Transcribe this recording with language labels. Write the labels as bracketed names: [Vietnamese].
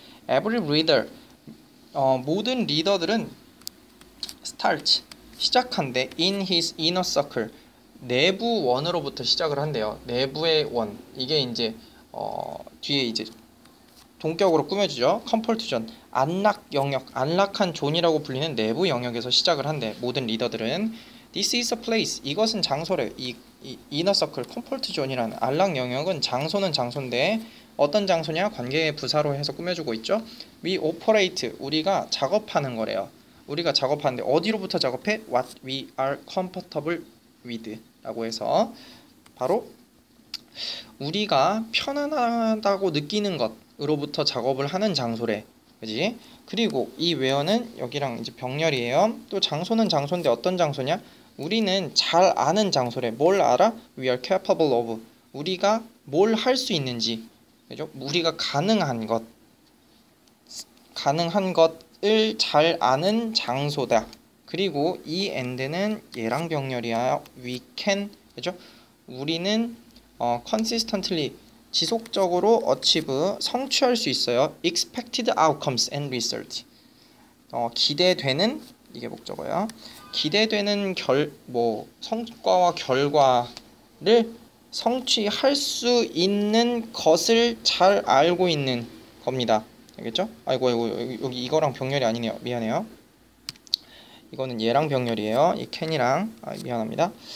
[English] Every reader, [Korean] 모든 리더들은 [English] starts 시작한대 in his inner circle [Korean] 내부 원으로부터 시작을 한대요. 내부의 원 이게 이제 뒤에 이제 동격으로 꾸며주죠. compulsion 안락 영역 안락한 존이라고 불리는 내부 영역에서 시작을 한대 모든 리더들은. [English] this is a place [Korean] 이것은 장소래. 이 inner circle compulsion이라는 안락 영역은 장소는 장소인데 어떤 장소냐 관계의 부사로 해서 꾸며주고 있죠. [English] we operate [Korean] 우리가 작업하는 거래요. 우리가 작업하는데 어디로부터 작업해? [English] What we are comfortable with [Korean] 라고 해서 바로 우리가 편안하다고 느끼는 것으로부터 작업을 하는 장소래, 그렇지? 그리고 이 where는 여기랑 이제 병렬이에요. 또 장소는 장소인데 어떤 장소냐? 우리는 잘 아는 장소래. 뭘 알아? [English] We are capable of. [Korean] 우리가 뭘할수 있는지. 그죠? 우리가 가능한 것. 가능한 것을 잘 아는 장소다. 그리고 이 end는 예랑 병렬이야. [English] We can. [Korean] 그죠? 우리는 consistently 지속적으로 achieve 성취할 수 있어요. [English] Expected outcomes and results. [Korean] 기대되는 이게 목적어요. 기대되는 성과와 결과를 성취할 수 있는 것을 잘 알고 있는 겁니다. 알겠죠? 아이고 여기 이거랑 병렬이 아니네요. 미안해요. 이거는 얘랑 병렬이에요. 이 캔이랑. 아, 미안합니다.